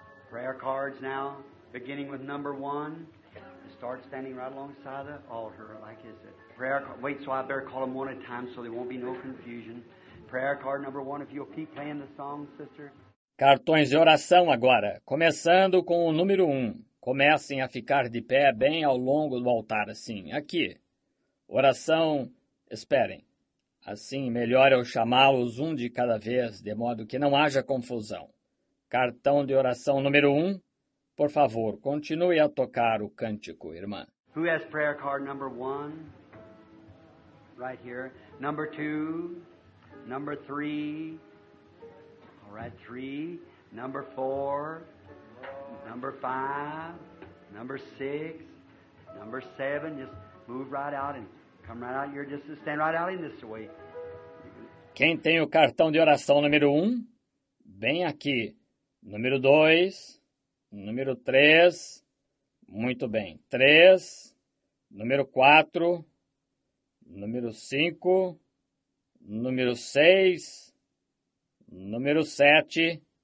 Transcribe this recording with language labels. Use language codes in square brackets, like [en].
[en] Prayer cards now, beginning with number one. Start standing right alongside the altar, like is it? Prayer card. Wait, so I better call them one at a time so there won't be no confusion. Prayer card number one, if you'll keep playing the song, sister. [pt] Cartões de oração agora, começando com o número 1. Comecem a ficar de pé bem ao longo do altar, assim, aqui. Oração, esperem. Assim, melhor eu chamá-los um de cada vez, de modo que não haja confusão. Cartão de oração número 1. Por favor, continue a tocar o cântico, irmã. [en] Who has prayer card number 1? Right here. Number 2, number 3... 3, number 4, number 5, number 6, number 7. Just move right out and come right out. You're just stand right out in this way. [pt] Quem tem o cartão de oração número 1? Bem aqui. Número 2, número 3. Muito bem. 3, número 4, número 5, número 6, número 7.